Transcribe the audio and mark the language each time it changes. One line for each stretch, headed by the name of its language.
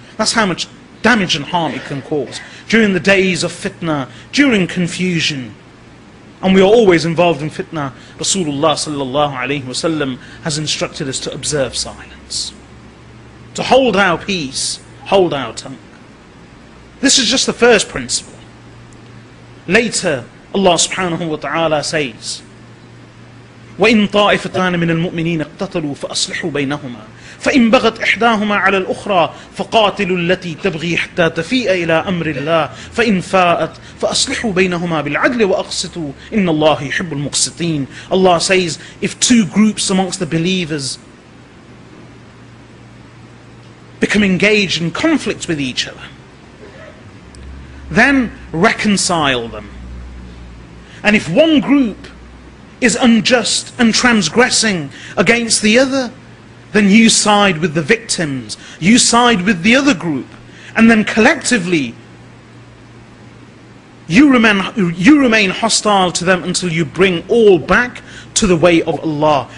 English: That's how much damage and harm it can cause during the days of fitna, during confusion. And we are always involved in fitna. Rasulullah sallallahu alayhi wa sallam has instructed us to observe silence, to hold our peace, hold our tongue. This is just the first principle. Later, Allah subhanahu wa ta'ala says,
Arabic: وَإِنْ طَائِفَتَانَ مِنَ الْمُؤْمِنِينَ اقْتَتَلُوا فَأَصْلِحُوا بَيْنَهُمَا فَإِنْ بَغَتْ إِحْدَاهُمَا عَلَى الْأُخْرَى فَقَاتِلُوا الَّتِي تَبْغِي حَتَّى تَفِيءَ إِلَىٰ أَمْرِ اللَّهِ فَإِنْ فَاءَتْ فَأَصْلِحُوا بَيْنَهُمَا بِالْعَدْلِ وَأَقْسِطُوا إِنَّ اللَّهَ يُحِبُّ الْمُقْسِطِينَ.
English: Allah says, if two groups amongst the believers become engaged in conflict with each other, then reconcile them. And if one group is unjust and transgressing against the other, then you side with the victims, you side with the other group, and then collectively you remain hostile to them until you bring all back to the way of Allah.